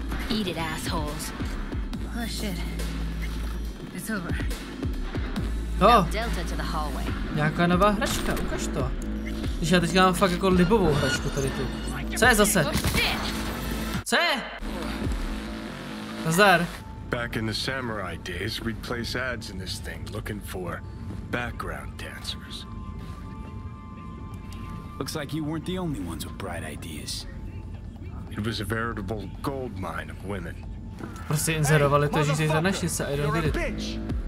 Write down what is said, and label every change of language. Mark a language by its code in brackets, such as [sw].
[en] Eat it, assholes. Oh, shit. It's over. No. Delta to the hallway. [cs] Nějaká nová hračka, ukaž to. Když já teďka mám fakt jako libovou hračku tady tu. Co je zase? Co je? Nazdar. [en] Back in the samurai days, we'd place ads in this thing looking for background dancers. Looks like you weren't the only ones with bright ideas. It was a veritable gold mine of women. [cs] Prostě inzerovali to, že jsi za naši se, [en] I don't get it.